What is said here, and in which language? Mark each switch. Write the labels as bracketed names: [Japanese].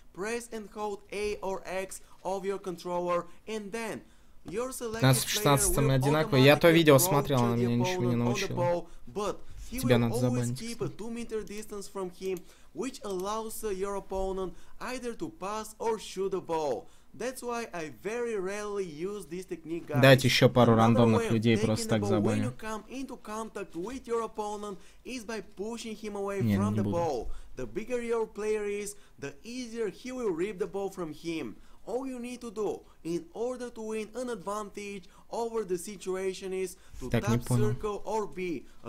[English] Press and hold A or X of your controller, and then your selected player will automatically approach the opponent on the ball, but he will always keep a 2-meter distance from him, which allows your opponent either to pass or shoot the ball. That's why I very rarely use this technique, guys. [Russian] Дать еще пару рандомных людей просто так забаню. [English] When you come into contact with your opponent is by pushing him away from the ball. The bigger your player is, the easier he will rip the ball from him. All you need to do in order to win an advantage over the situation is to tap circle or B.